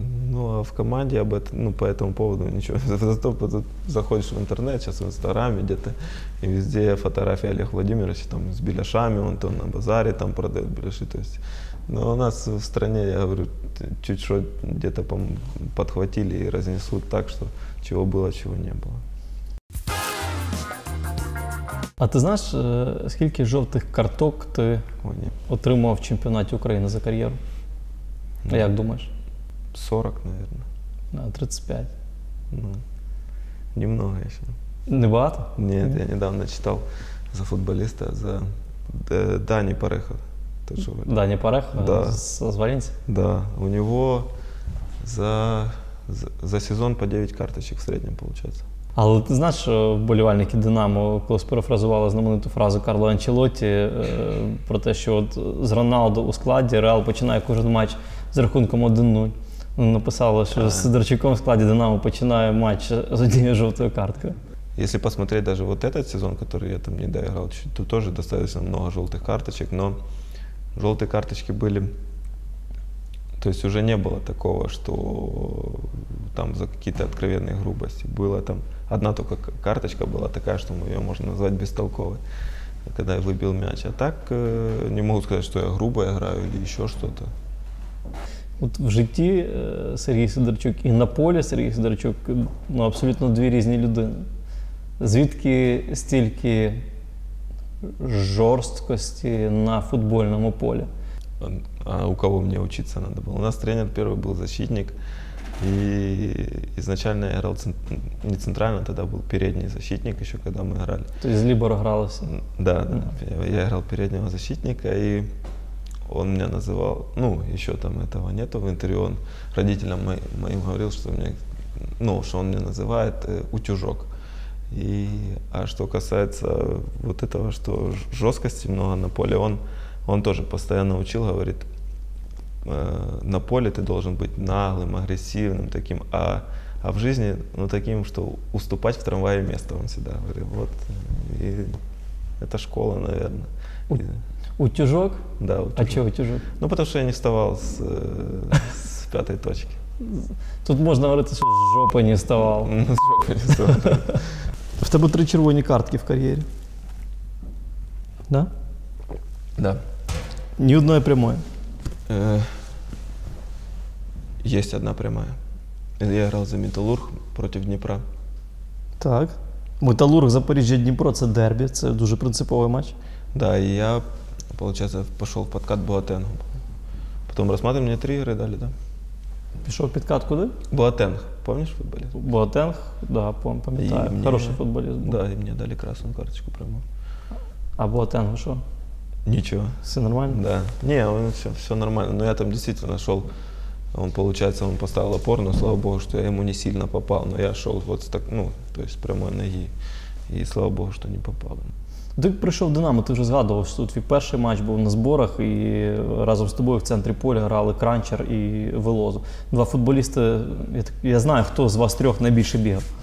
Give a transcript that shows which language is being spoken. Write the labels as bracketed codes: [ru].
[ru] Ну, а в команде об этом, ну, по этому поводу ничего. Зато заходишь в интернет, сейчас в Инстаграме где-то, и везде фотографии Олега Владимировича там с беляшами, он то на базаре там продает беляши, то есть. Ну, у нас в стране, я говорю, чуть что где-то подхватили и разнесут так, что чего было, чего не было. [uk] А ти знаєш, скільки жовтих карток ти отримував в чемпіонаті України за кар'єру? Ну, як думаєш? 40, мабуть. 35. Ну, немного ще. Небагато? Ні, ні, я недавно читав за футболіста, за Дані Парехо. Дані Парехо? Да. З Валенсії? Да. У нього за сезон по 9 карточок в середньому, виходить. Але ти знаєш, що вболівальники «Динамо» колись перефразували знамениту фразу Карло Анчелотті про те, що от з Роналду у складі Реал починає кожен матч з рахунком 1-0. Написали, що з Сидорчуком в складі «Динамо» починає матч з однією жовтою карткою. Якщо [ru] посмотреть даже вот этот сезон, который я там не доиграл, то тоже достаточно много [uk] жовтих карточек, [ru] но [uk] жовті карточки були. [ru] То есть уже не было такого, что там за какие-то откровенные грубости. Была там одна только карточка была такая, что ее можно назвать бестолковой, когда я выбил мяч. А так не могу сказать, что я грубо играю или еще что-то. Вот [uk] в житті Сергій Сидорчук [ru] и на поле [uk] Сергій Сидорчук, ну, абсолютно дві різні людини. Звідки стільки жорсткості на футбольному полі? [ru] А у кого мне учиться надо было? У нас тренер первый был защитник. И изначально я играл не центрально, тогда был передний защитник, еще когда мы играли. То есть Либор игрался? Да, да. Я играл переднего защитника, и он меня называл, ну, еще там этого нету в интервью, он родителям моим говорил, что мне, ну, что он меня называет утюжок. И, а что касается вот этого, что жесткости много на поле, он тоже постоянно учил, говорит, на поле ты должен быть наглым, агрессивным таким, а в жизни, ну, таким, что уступать в трамвае место, он всегда говорит. Вот, и это школа, наверное. Утюжок? Да, утюжок. А чего утюжок? Ну, потому что я не вставал с пятой точки. Тут можно говорить, что с жопой не вставал. С жопой не вставал, да. [uk] В тебе 3 червоні картки в кар'єрі. Да? Да. Ні одної прямої? Є одна пряма. Я грав за Металург проти Дніпра. Так. Металург, Запоріжжя, Дніпро — це дербі, це дуже принциповий матч. Да, і я, виходить, пішов в підкат Буатенгу. Потім розглядали, мені 3 гри дали, да. Пішов в підкат куди? Буатенг. Пам'ятаєш футболіст? Буатенг, да, пам'ятаю. Мені... Хороший футболіст був. Да, і мені дали красну карточку пряму. А Буатенгу що? [ru] Ничего. Все нормально? Да. Не, все нормально. Но я там действительно шел, он поставил опору, но слава богу, что я ему не сильно попал. Но я шел вот так, ну, то есть прямой ноги. И слава богу, что не попал. [uk] Ти прийшов в Динамо, ти вже згадував, що твій перший матч був на зборах, і разом з тобою в центрі поля грали Кранчер і Велозу. Два футболісти, я знаю, хто з вас трьох найбільше бігав.